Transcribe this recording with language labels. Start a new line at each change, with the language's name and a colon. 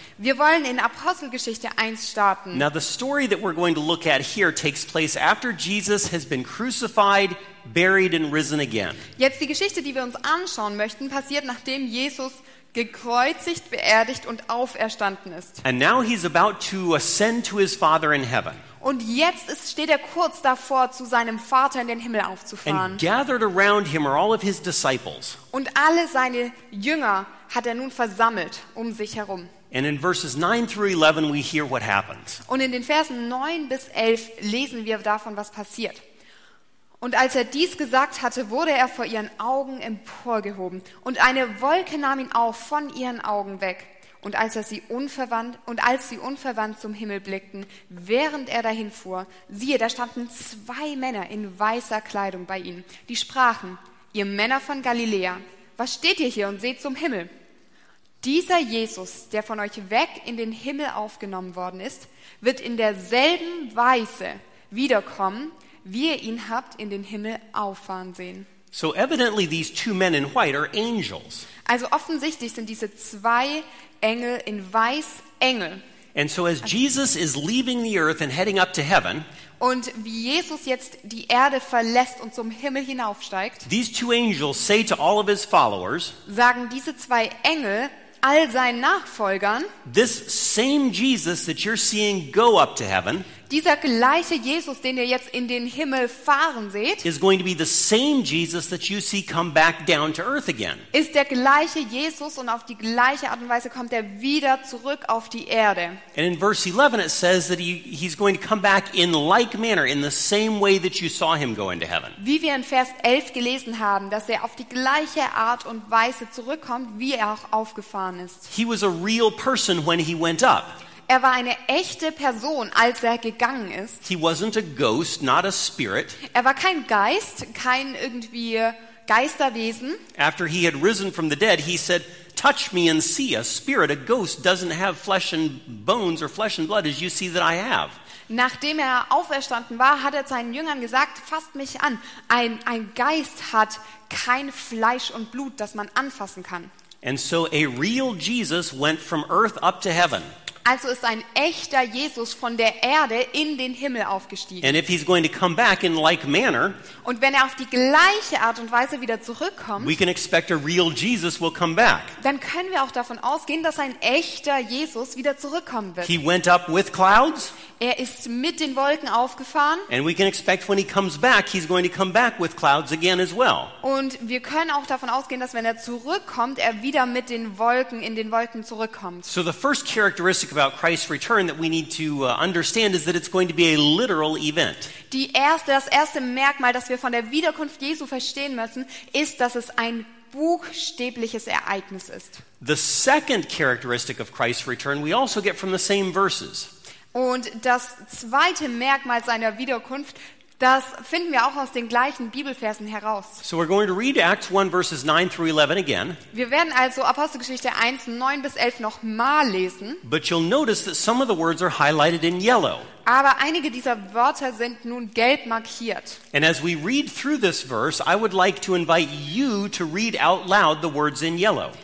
German: Wir wollen in Apostelgeschichte 1 starten.
English: Now the story that we're going to look at here takes place after Jesus has been crucified, buried and risen again.
German: Jetzt die Geschichte, die wir uns anschauen möchten, passiert nachdem Jesus gekreuzigt, beerdigt und auferstanden ist.
English: And now he's about to ascend to his Father in heaven.
German: Und jetzt steht kurz davor, zu seinem Vater in den Himmel aufzufahren.
English: And gathered around him are all of his disciples.
German: Und alle seine Jünger hat nun versammelt um sich herum.
English: And in verses 9 through 11 we hear what happens.
German: Und in den Versen 9 bis 11 lesen wir davon, was passiert. Und als er dies gesagt hatte, wurde er vor ihren Augen emporgehoben. Und eine Wolke nahm ihn auf von ihren Augen weg. Und als sie unverwandt zum Himmel blickten, während er dahin fuhr, siehe, da standen zwei Männer in weißer Kleidung bei ihnen. Die sprachen, ihr Männer von Galiläa, was steht ihr hier und seht zum Himmel? Dieser Jesus, der von euch weg in den Himmel aufgenommen worden ist, wird in derselben Weise wiederkommen, wie ihr ihn habt in den Himmel auffahren sehen.
English: So evidently these two men in white are angels.
German: Also offensichtlich sind diese zwei Engel in weiß Engel.
English: And so as Jesus is leaving the earth and heading up to heaven,
German: und wie Jesus jetzt die Erde verlässt und zum Himmel hinaufsteigt,
English: these two angels say to all of his followers,
German: sagen diese zwei Engel all seinen Nachfolgern,
English: this same Jesus that you're seeing go up to heaven,
German: dieser gleiche Jesus, den ihr jetzt in den Himmel fahren seht,
English: is going to be the same Jesus that you see come back down to earth again.
German: Ist der gleiche Jesus und auf die gleiche Art und Weise kommt er wieder zurück auf die Erde.
English: And in verse 11 it says that he's going to come back in like manner, in the same way that you saw him go into heaven.
German: Wie wir in Vers 11 gelesen haben, dass er auf die gleiche Art und Weise zurückkommt, wie er auch aufgefahren ist.
English: He was a real person when he went up.
German: Er war eine echte Person, als er gegangen ist.
English: He wasn't a ghost, not a spirit.
German: Er war kein Geist, kein irgendwie Geisterwesen.
English: After he had risen from the dead, he said, touch me and see, a spirit, a ghost doesn't have flesh and bones or flesh and blood as you see that I have.
German: Nachdem er auferstanden war, hat er seinen Jüngern gesagt, fasst mich an, ein Geist hat kein Fleisch und Blut, das man anfassen kann.
English: And so a real Jesus went from earth up to heaven.
German: Also ist ein echter Jesus von der Erde in den Himmel aufgestiegen.
English: And if he's going to come back in like manner,
German: und wenn er auf die gleiche Art und Weise wieder zurückkommt,
English: we can expect a real Jesus will come back.
German: Dann können wir auch davon ausgehen, dass ein echter Jesus wieder zurückkommen wird.
English: He went up with clouds.
German: Er ist mit den Wolken aufgefahren.
English: And we can expect when he comes back, he's going to come back with clouds again as well.
German: Und wir können auch davon ausgehen, dass wenn er zurückkommt, er wieder mit den Wolken in den Wolken zurückkommt.
English: So the first characteristic about Christ's return that we need to understand is that it's going to be a literal event.
German: Das erste Merkmal, das wir von der Wiederkunft Jesu verstehen müssen, ist, dass es ein buchstäbliches Ereignis ist.
English: The second characteristic of Christ's return we also get from the same verses.
German: Und das zweite Merkmal seiner Wiederkunft, das finden wir auch aus den gleichen Bibelversen heraus.
English: So we're going to read Acts 1 verses 9 through 11 again.
German: Wir werden also Apostelgeschichte 1, 9 bis 11 noch mal lesen.
English: But you'll notice that some of the words are highlighted in yellow.
German: Aber einige dieser Wörter sind nun gelb markiert.
English: And as we read through this verse, I would like to invite you to read out loud the words in yellow.